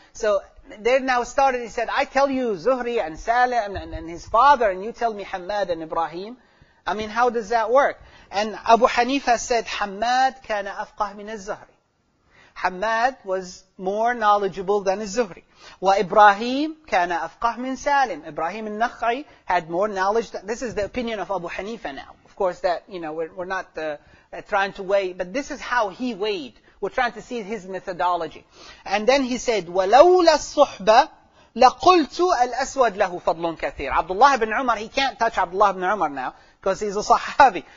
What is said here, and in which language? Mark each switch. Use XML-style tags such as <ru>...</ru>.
<en>So they now started, he said, I tell you Zuhri and Salim and his father, and you tell me Hammad and Ibrahim. I mean, how does that work? And Abu Hanifa said, Hammad</en> <ar>كان أفقه من الزهري.</ar> <en>Hammad was more knowledgeable than Zuhri.</en> <ar>وإبراهيم كان أفقه من سالم.</ar> <en>Ibrahim al-Nakhai had more knowledge. This is the opinion of Abu Hanifa now. Of course, that, you know, we're not trying to weigh, but this is how he weighed. We're trying to see his methodology. And then he said,</en> <ar>وَلَوْلَا الصُّحْبَةِ لَقُلْتُ الْأَسْوَدْ لَهُ فَضْلٌ كَثِيرٌ</ar> <en>Abdullah ibn Umar, he can't touch Abdullah ibn Umar now, because he's a sahabi.</en>